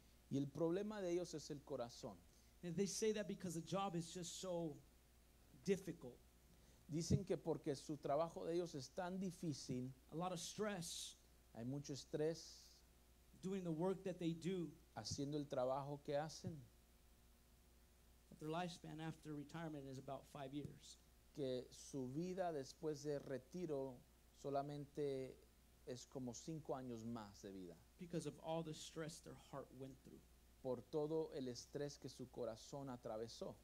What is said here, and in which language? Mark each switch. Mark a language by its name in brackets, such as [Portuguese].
[Spanish] Y el problema de ellos es el corazón. [English] And they say that because the job is just so difficult. [Spanish] Dicen que porque su trabajo de ellos es tan difícil. [English] A lot of stress. [Spanish] Hay mucho estrés. [English] Doing the work that they do. [Spanish] Haciendo el trabajo que hacen. [English] But their lifespan after retirement is about 5 years. [Spanish] Que su vida después de retiro solamente es como 5 años más de vida. [English] Because of all the stress their heart went through. [Spanish] Por todo el estrés que su corazón atravesó.